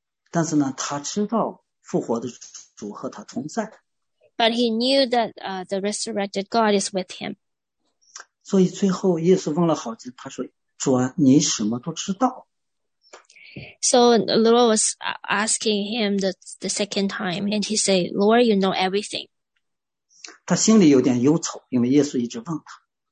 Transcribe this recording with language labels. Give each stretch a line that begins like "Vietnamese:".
Chinese: 但是呢，他知道复活的主和他同在。
English: But he knew that the resurrected God is with him.
Chinese: 所以最后耶稣问了好几，他说：“主啊，你什么都知道。”
English: So the Lord was asking him the second time, and he said, "Lord, you know everything."
Chinese: 他心里有点忧愁，因为耶稣一直问他。